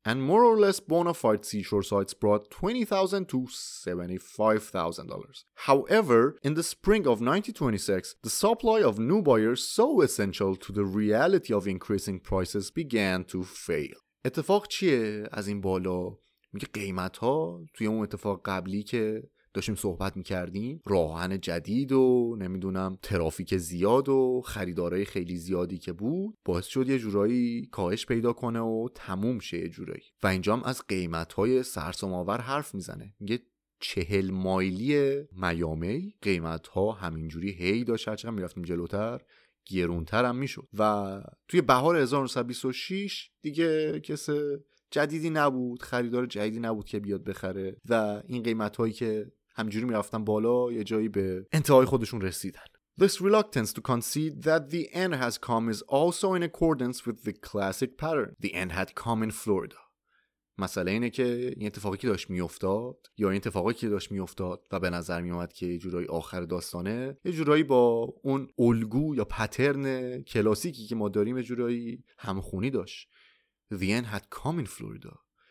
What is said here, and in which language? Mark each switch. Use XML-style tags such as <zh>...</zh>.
<en>And more or less bona fide seashore sites brought $20,000 to $75,000. However, in the spring of 1926, the supply of new buyers, so essential to the reality of increasing prices, began to fail.</en> <fa>اتفاق چیه از این بالا؟ میگه قیمت ها توی اون اتفاق قبلی که داشتیم صحبت میکردیم، راهن جدید و نمیدونم ترافیک زیاد و خریدارای خیلی زیادی که بود، باعث شد یه جورایی کاهش پیدا کنه و تموم شه یه جورایی. و اینجا هم از قیمت های سرسام‌آور حرف میزنه، میگه 40 مایلی میامی قیمت ها همینجوری هی داشت هرچه هم میرفتیم جلوتر گرونتر هم میشد. و توی بهار 1926 دیگه کسه جدیدی نبود، خریدار جدیدی نبود که بیاد بخره، و این قیمتهایی که همجوری میرفتن بالا یه جایی به انتهای خودشون رسیدن.</fa> <en>This reluctance to concede that the end has come is also in accordance with the classic pattern. The end had come in Florida.</en> <fa>مسئله اینه که این اتفاقی که داشت میافتاد، یا این اتفاقی که داشت میافتاد و به نظر میومد که یه جورایی آخر داستانه، یه جورایی با اون الگو یا پترن کلاسیکی که ما داریم یه جورایی همخونی داشت.</fa> <en>The end had come in Florida.</en>